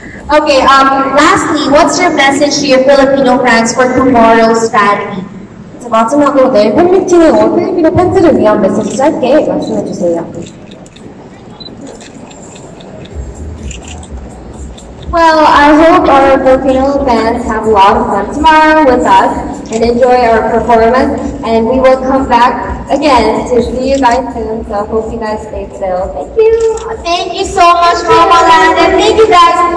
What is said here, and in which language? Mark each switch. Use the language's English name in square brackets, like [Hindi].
[English] Okay, lastly, what's your message to your Filipino friends for tomorrow's strategy? [Korean] 마지막으로 내일 팬미팅에 온 필리핀어 팬들을 위한 메시지 짧게 말씀해 주세요. [English] Well, I hope our Filipino fans have a lot of fun tomorrow with us and enjoy our performance. And we will come back again to see you guys soon. So hope you guys stay still. Thank you. Thank you so much, Momoland. And thank you guys.